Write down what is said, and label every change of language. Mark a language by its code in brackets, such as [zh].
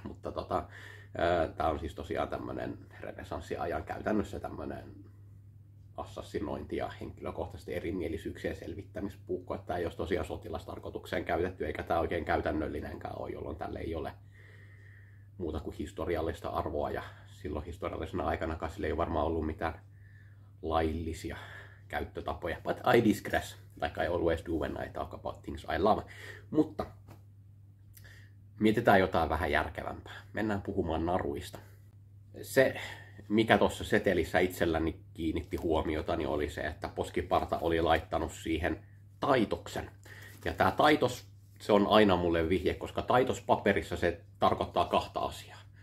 [fi] Mutta tämä on siis tosiaan tämmöinen renessanssiajan käytännössä tämmöinen assassinointi ja henkilökohtaisesti erimielisyyksien selvittämispuukko, että tämä ei olisi tosiaan sotilastarkoitukseen käytetty, eikä tämä oikein käytännöllinenkään ole, jolloin tälle ei ole muuta kuin historiallista arvoa, ja silloin historiallisena aikana sille ei varmaan ollut mitään laillisia käyttötapoja. [en] But I digress, like I always do when I talk about things I love. [fi] Mutta mietitään jotain vähän järkevämpää. Mennään puhumaan naruista. Se, mikä tuossa setelissä itselläni kiinnitti huomiota, niin oli se, että Poskiparta oli laittanut siihen taitoksen. Ja tämä taitos, se on aina mulle vihje, koska taitospaperissa se tarkoittaa kahta asiaa.